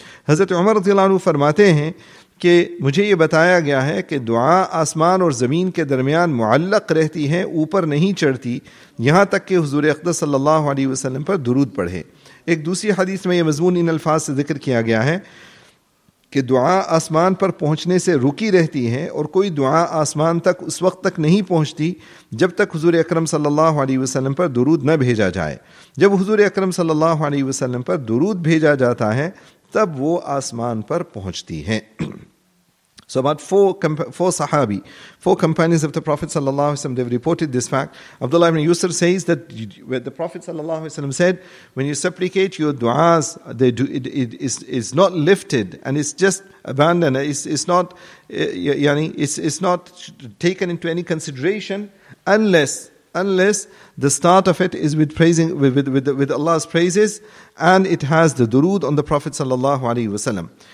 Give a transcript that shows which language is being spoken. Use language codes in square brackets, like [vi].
[ur] حضرت عمر رضی اللہ عنہ فرماتے ہیں کہ مجھے یہ بتایا گیا ہے کہ دعا آسمان اور زمین کے درمیان معلق رہتی ہے, اوپر نہیں چڑھتی یہاں تک کہ حضور اقدس صلی اللہ علیہ وسلم پر درود پڑھے. ایک دوسری حدیث میں یہ مضمون ان الفاظ سے ذکر کیا گیا ہے کہ دعا آسمان پر پہنچنے سے رکی رہتی ہے اور کوئی دعا آسمان تک اس وقت تک نہیں پہنچتی جب تک حضور اکرم صلی اللہ علیہ وسلم پر درود نہ بھیجا جائے۔ جب حضور اکرم صلی اللہ علیہ وسلم پر درود بھیجا جاتا ہے تب وہ آسمان پر پہنچتی ہے۔ [en] So about four Sahabi, four companions of the Prophet sallallahu alaihi wasallam, they reported this fact. Abdullah ibn Yusuf says that where the Prophet sallallahu alaihi wasallam said, when you supplicate, your du'as, they do it is not lifted and it's just abandoned. It's not taken into any consideration unless the start of it is with praising with Allah's praises and it has the durood on the Prophet sallallahu alaihi wasallam.